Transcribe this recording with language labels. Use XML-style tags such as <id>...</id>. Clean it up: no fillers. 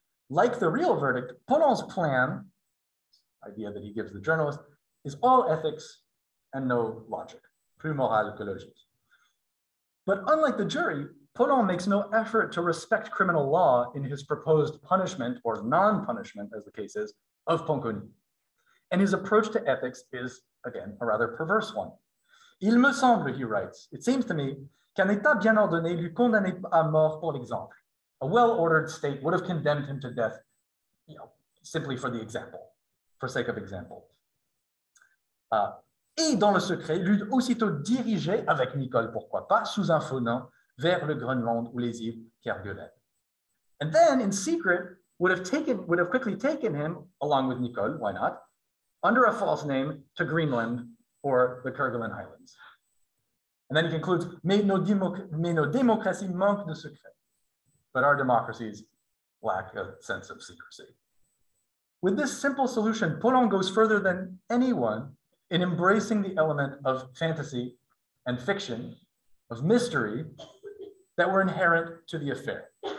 <en>Like the real verdict, Paulhan's plan, idea that he gives the journalist, is all ethics and no logic,</en> <fr>plus moral que logique.</fr> <en>But unlike the jury, Paulhan makes no effort to respect criminal law in his proposed punishment or non-punishment, as the case is, of Ponkoni. And his approach to ethics is, again, a rather perverse one.</en> <fr>Il me semble,</fr> <en>he writes, it seems to me,</en> <fr>qu'un état bien ordonné lui condamnait à mort pour l'exemple.</fr> <en>A well-ordered state would have condemned him to death, you know, simply for the example. For sake of example.</en> <fr>Et dans le secret, l'eût aussitôt dirigé avec Nicole, pourquoi pas, sous un faux nom, vers le Groenland ou les îles Kerguelen.</fr> <en>And then in secret, would have quickly taken him, along with Nicole, why not, under a false name to Greenland or the Kerguelen Islands. And then he concludes,</en> <fr>mais nos démocraties manquent de secret.</fr> <en>But our democracies lack a sense of secrecy. With this simple solution, Paulhan goes further than anyone in embracing the element of fantasy and fiction, of mystery, that were inherent to the affair.</en>